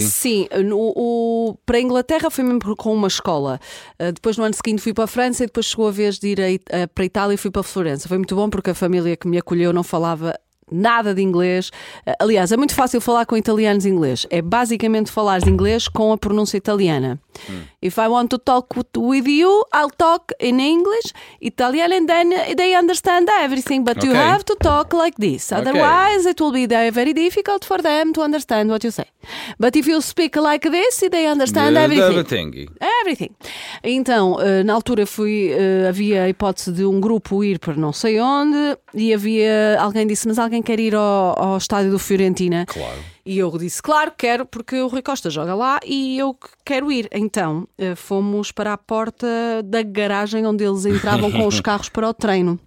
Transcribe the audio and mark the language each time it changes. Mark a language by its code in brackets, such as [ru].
[pt] Sim, para a Inglaterra foi mesmo com uma escola. Depois no ano seguinte fui para a França e depois chegou a vez de ir para a Itália e fui para a Florença. Foi muito bom porque a família que me acolheu não falava nada de inglês. Aliás, é muito fácil falar com italianos inglês. É basicamente falares inglês com a pronúncia italiana. [en] If I want to talk with you, I'll talk in English, Italian, and then they understand everything. But you have to talk like this. Otherwise, it will be very difficult for them to understand what you say. But if you speak like this, they understand everything. Everything. [pt] Então, na altura havia a hipótese de um grupo ir para não sei onde, e havia alguém disse, mas alguém quer ir ao estádio do Fiorentina? Claro. E eu disse, claro, quero, porque o Rui Costa joga lá e eu quero ir. Então, fomos para a porta da garagem onde eles entravam com os carros para o treino.